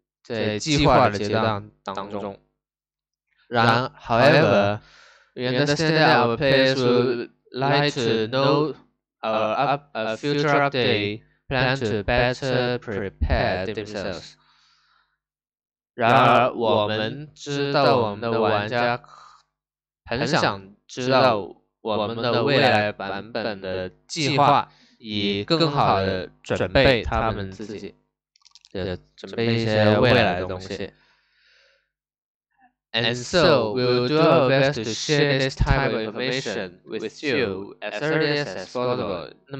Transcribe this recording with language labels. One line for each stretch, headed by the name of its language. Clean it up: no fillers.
Chinese: 我们需向你分享的谨慎，在分享，因为有概率这些计划会由于不确定的环境，有一些不可预见的环境，一些条件会发生变化，这些环境是我们无法预见的，无法预料到的，在计划的阶段当中。
English: 然, however, we understand that our players would like to know a future update plan to better prepare themselves.
Chinese: 然而，我们知道我们的玩家很想知道我们的未来版本的计划，以更好的准备他们自己的准备一些未来的东西。
English: And so, we'll do our best to share this type of information with you as early as possible.